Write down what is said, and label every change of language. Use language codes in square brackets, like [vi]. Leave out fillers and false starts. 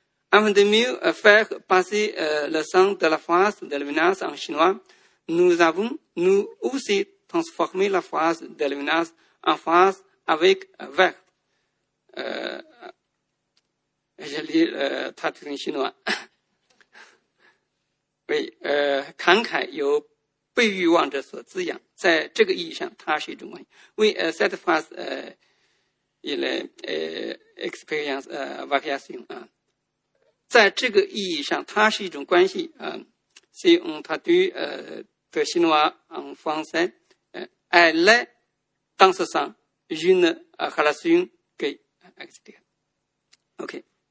[fr] Avant de mieux faire passer le sens de la phrase de Levinas en chinois, nous avons nous aussi transformé la phrase de Levinas en phrase avec verbe. Je lis la traduction chinoise. [zh] Oui, 慷慨由被欲望者所滋养, 在这个意义上它是一种关系. [fr] Oui, cette phrase, il est expérience, variation. [zh] 在这个意义上它是一种关系, [fr] si on traduit de chinois en français, elle est dans ce sens une relation qui, etc. OK.